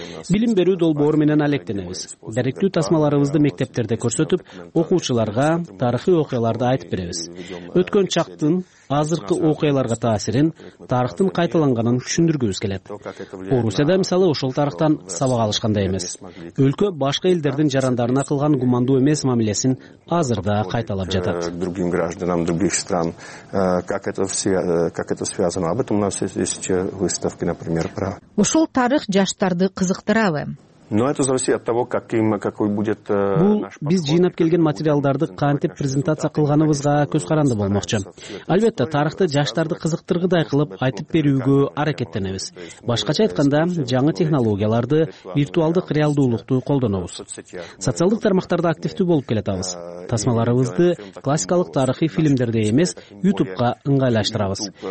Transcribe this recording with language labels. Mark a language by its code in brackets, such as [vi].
[ky] Билим берүү долбоору менен алектенебиз. Даректүү тасмаларыбызды мектептерде көрсөтүп, окуучуларга тарыхый окуяларды айтып беребиз. Өткөн чактын азыркы окуяларга таасирин, тарыхтын кайталанганын түшүндүргүбүз келет. Орусияда мисалы ошол тарыхтан сабак алышкан эмес. Өлкө башка элдердин жарандарына кылган гумандуу эмес мамилесин азырда кайталап жатат. [ru] Другим гражданам других стран, как это связано? Об этом у нас есть выставки, например, про. [ky] Ушул тарых жаштарды кызыктырабы? [ru] Но это зависит от того, какой будет наш подход. [ky] Бул биз жыйнап келген материалдарды кантип презентация кылганыбызга көз каранды болмокчу. Албетте, тарыхты жаштарды кызыктыргыдай кылып айтып берүүгө аракеттенебиз. Башкача айтканда, жаңы технологияларды, виртуалдык реалдуулукту колдонобуз. Социалдык тармактарда активдүү болуп келатабыз. Тасмаларыбызды классикалык тарыхый фильмдерде эмес, YouTube'ка ыңгайлаштырабыз.